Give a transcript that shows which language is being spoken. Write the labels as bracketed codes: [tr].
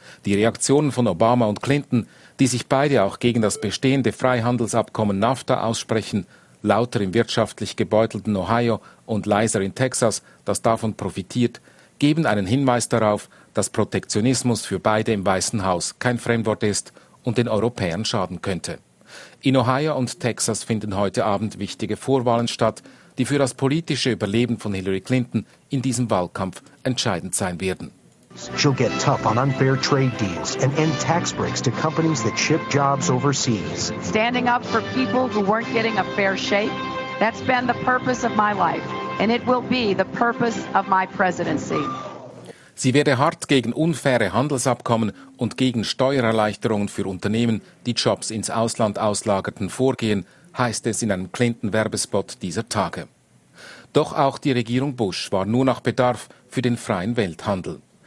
[de] Die Reaktionen von Obama und Clinton, die sich beide auch gegen das bestehende Freihandelsabkommen NAFTA aussprechen, lauter im wirtschaftlich gebeutelten Ohio und leiser in Texas, das davon profitiert, geben einen Hinweis darauf, dass Protektionismus für beide im Weißen Haus kein Fremdwort ist und den Europäern schaden könnte. In Ohio und Texas finden heute Abend wichtige Vorwahlen statt, die für das politische Überleben von Hillary Clinton in diesem Wahlkampf entscheidend sein werden. [en] She'll get tough on unfair trade deals and end tax breaks to companies that ship jobs overseas. Standing up for people who weren't getting a fair shake, that's been the purpose of my life and it will be the purpose of my presidency. [de] Sie werde hart gegen unfaire Handelsabkommen und gegen Steuererleichterungen für Unternehmen, die Jobs ins Ausland auslagerten, vorgehen, heißt es in einem Clinton-Werbespot dieser Tage. Doch auch die Regierung Bush war nur nach Bedarf für den freien Welthandel.